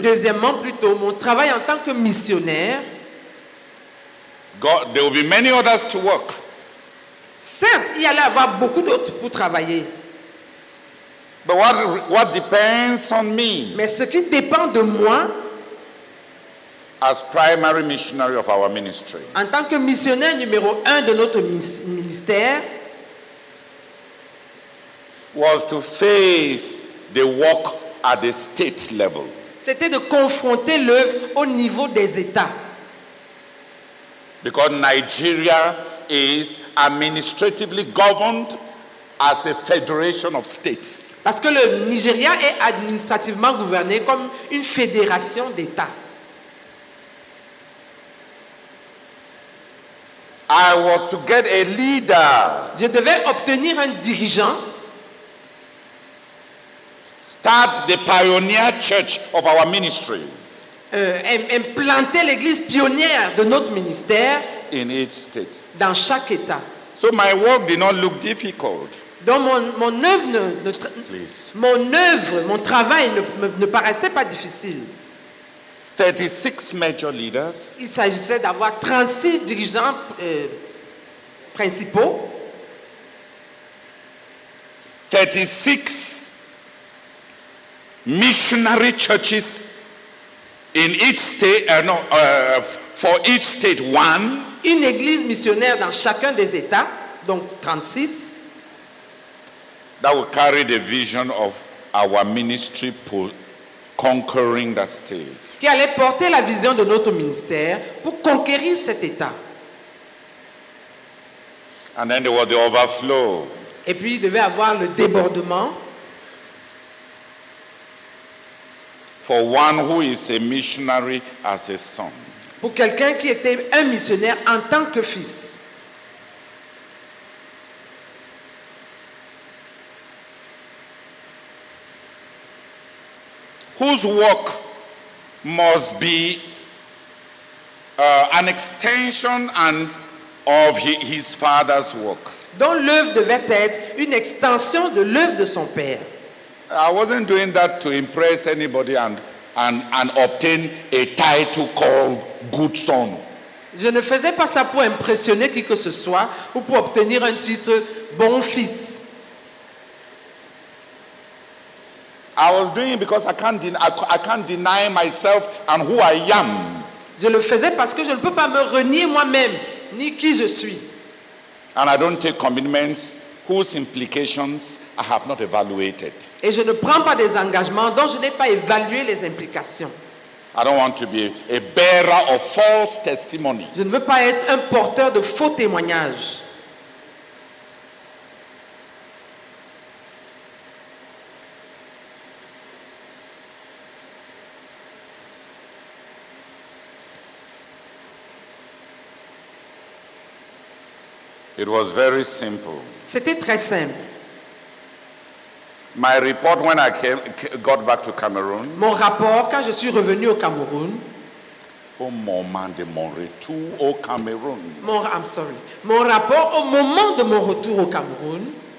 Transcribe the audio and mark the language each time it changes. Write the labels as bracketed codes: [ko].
[fr] Deuxièmement, plutôt, mon travail en tant que missionnaire. [en] God, there will be many others to work. [fr] Certes, il y allait avoir beaucoup d'autres pour travailler. [en] But what depends on me? [fr] Mais ce qui dépend de moi. [en] as primary missionary of our ministry. [fr] En tant que missionnaire numéro un de notre ministère, [en] was to face the work at the state level. [fr] C'était de confronter l'œuvre au niveau des États. [en] Because Nigeria is administratively governed as a federation of states. [fr] Parce que le Nigeria est administrativement gouverné comme une fédération d'États. [en] I was to get a leader. [fr] Je devais obtenir un dirigeant. [en] Start the pioneer church of our ministry. [fr] Implanter l'église pionnière de notre ministère. [en] In each state. [fr] Dans chaque état. [en] So my work did not look difficult. [fr] Donc mon travail ne paraissait pas difficile. [en] 36 major leaders. [fr] Il s'agissait d'avoir 36 dirigeants principaux. [en] 36 missionary churches in each state, for each state one. [fr] Une église missionnaire dans chacun des états, donc 36. [en] That will carry the vision of our ministry pool. Conquering that state. [fr] Qui allait porter la vision de notre ministère pour conquérir cet état. [en] And then there was the overflow. [fr] Et puis il devait avoir le débordement. [en] For one who is a missionary as a son. [fr] Pour quelqu'un qui était un missionnaire en tant que fils. [en] Whose work must be an extension and of his father's work. [fr] Dont l'œuvre devait être une extension de l'œuvre de son père. [en] I wasn't doing that to impress anybody and obtain a title called good son. [fr] Je ne faisais pas ça pour impressionner qui que ce soit ou pour obtenir un titre bon fils. [en] I was doing it because I can't deny myself and who I am. [fr] Je le faisais parce que je ne peux pas me renier moi-même ni qui je suis. [en] And I don't take commitments whose implications I have not evaluated. [fr] Et je ne prends pas des engagements dont je n'ai pas évalué les implications. [en] I don't want to be a bearer of false testimony. [fr] Je ne veux pas être un porteur de faux témoignages. [en] It was very simple. [fr] C'était très simple. [en] My report when I got back to Cameroon. [fr] Mon rapport quand je suis revenu au Cameroun. Au moment de mon retour au Cameroun. Mon rapport au moment de mon retour au Cameroun.